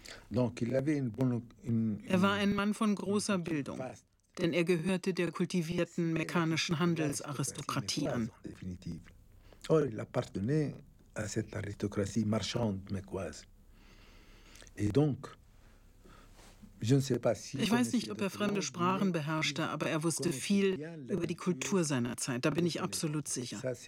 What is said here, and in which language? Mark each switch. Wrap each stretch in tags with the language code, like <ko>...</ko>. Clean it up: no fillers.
<de>Er war ein Mann von großer Bildung, denn er gehörte der kultivierten mekkanischen Handelsaristokratie an.</de> <fr>Or, il appartenait à cette aristocratie marchande mekkoise. Et donc.</fr> <de>Ich weiß nicht, ob er fremde Sprachen beherrschte, aber er wusste viel über die Kultur seiner Zeit. Da bin ich absolut sicher.</de>